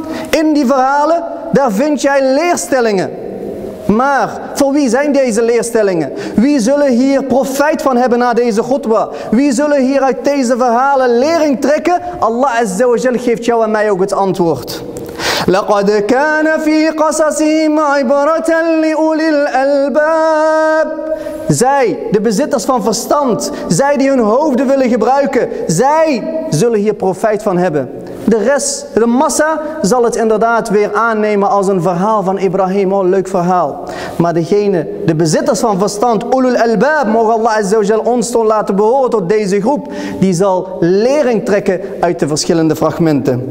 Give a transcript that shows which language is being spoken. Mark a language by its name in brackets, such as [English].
[Dutch] In die verhalen, daar vind jij leerstellingen. Maar voor wie zijn deze leerstellingen? Wie zullen hier profijt van hebben na deze khutbah? Wie zullen hier uit deze verhalen lering trekken? Allah azza wa jal geeft jou en mij ook het antwoord. [Arabic] لقد كان في قصصهم عبرة لأولي الألباب. [Dutch] Zij, de bezitters van verstand, zij die hun hoofden willen gebruiken, zij zullen hier profijt van hebben. De rest, de massa, zal het inderdaad weer aannemen als een verhaal van Ibrahim. Oh, leuk verhaal. Maar degene, de bezitters van verstand, ulul albab, mogen Allah azza wa jal ons toch laten behoren tot deze groep, die zal lering trekken uit de verschillende fragmenten.